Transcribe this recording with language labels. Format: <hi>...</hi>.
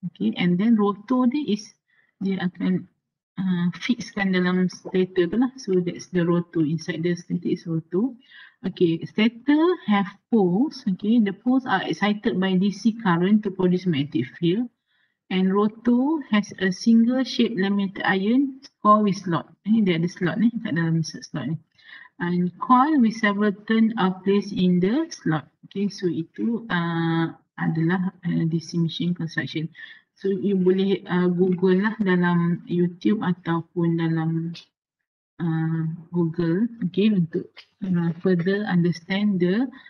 <ms>Okay,</ms> <en>and then</en> <ms>rotor dia is dia akan fixkan dalam stator tu lah.</ms> <en>So that's the rotor. Inside the stator is rotor. Okay, stator have poles. Okay, the poles are excited by DC current to produce magnetic field. And rotor has a single shape laminated iron core with slot.</en> <ms>Ni dia ada slot ni kat dalam slot ni.</ms> <en>And coil with several turn are placed in the slot. Okay, so</en> <ms>itu adalah</ms> <en>DC machine construction.</en> <ms>So you boleh Google lah dalam YouTube ataupun dalam Google, okay, untuk</ms> <en>further understand the</en>